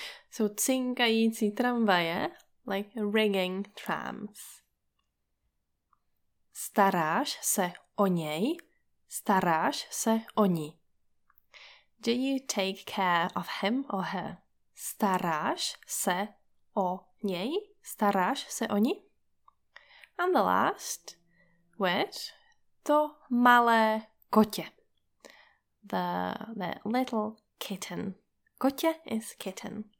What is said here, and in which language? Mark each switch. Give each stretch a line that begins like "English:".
English: So
Czech: cinkající tramvaje,
English: like ringing trams.
Czech: Staráš se o něj, staráš se o ní.
English: Do you take care of him or her?
Czech: Staráš se o něj, staráš se o ní.
English: And the last word,
Czech: to malé kotě.
English: The little kitten. Kotě is kitten.